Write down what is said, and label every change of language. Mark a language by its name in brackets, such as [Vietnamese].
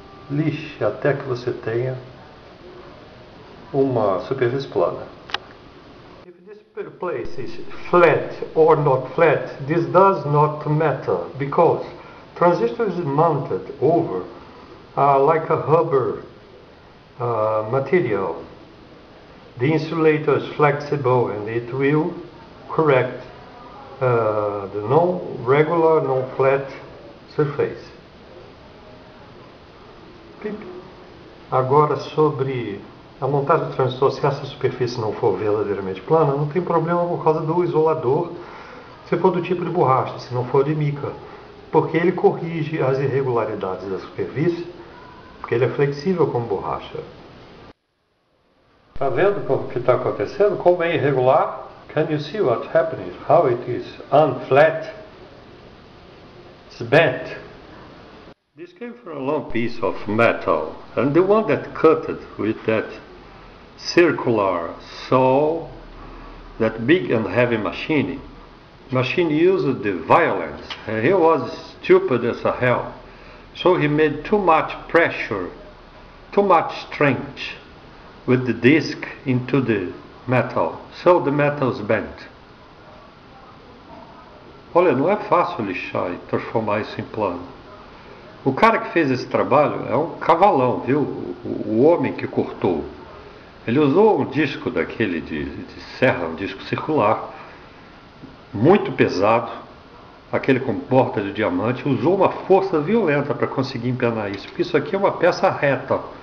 [Portuguese] Lixe até que você tenha uma superfície plana. [English] If this place is flat or not flat, this does not matter because transistor is mounted over like a rubber material. The insulator is flexible and it will correct the non-regular, non-flat surface. Pip. [Portuguese] Agora sobre a montagem do transistor, se essa superfície não for verdadeiramente plana, não tem problema por causa do isolador, se for do tipo de borracha, se não for de mica, porque ele corrige as irregularidades da superfície, porque ele é flexível como borracha. Está vendo o que está acontecendo? Como é irregular? [English] Can you see what's happening? How it is unflat? It's bent. This came from a long piece of metal, and the one that cut it with that circular saw, that big and heavy machine. Machine used the violence, and he was stupid as a hell. So he made too much pressure, too much strength with the disc into the metal, so the metal is bent. [Portuguese] Olha, não é fácil lixar e transformar isso em plano. O cara que fez esse trabalho é um cavalão, viu? O homem que cortou. Ele usou um disco daquele de serra, um disco circular, muito pesado, aquele com borda de diamante, usou uma força violenta para conseguir empenar isso, porque isso aqui é uma peça reta.